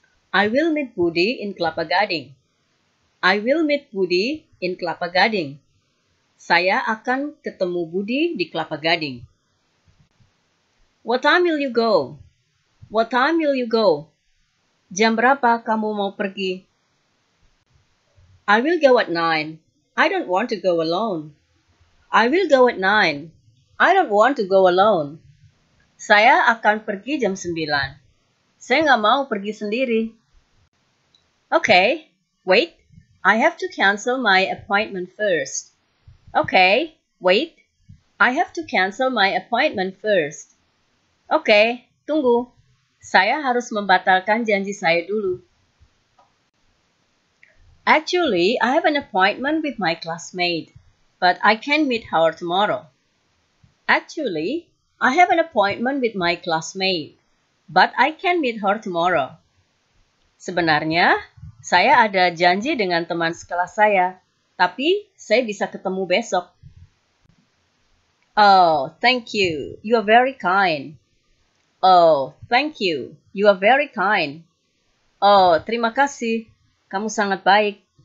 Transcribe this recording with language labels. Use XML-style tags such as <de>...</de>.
<en>I will meet Budi in Kelapa Gading. I will meet Budi in Kelapa Gading.</en> <id>Saya akan ketemu Budi di Kelapa Gading.</id> <en>What time will you go? What time will you go?</en> <id>Jam berapa kamu mau pergi?</id> <en>I will go at 9. I don't want to go alone. I will go at 9. I don't want to go alone.</en> <id>Saya akan pergi jam 9. Saya nggak mau pergi sendiri.</id> <en>Okay, wait. I have to cancel my appointment first. Okay, wait. I have to cancel my appointment first.</en> <id>Okay, tunggu. Saya harus membatalkan janji saya dulu.</id> <en>Actually, I have an appointment with my classmate, but I can't meet her tomorrow. Actually, I have an appointment with my classmate, but I can't meet her tomorrow.</en> <id>Sebenarnya, saya ada janji dengan teman sekelas saya, tapi saya bisa ketemu besok.</id> <en>Oh, thank you. You are very kind. Oh, thank you. You are very kind.</en> <id>Oh, terima kasih. Kamu sangat baik.</id>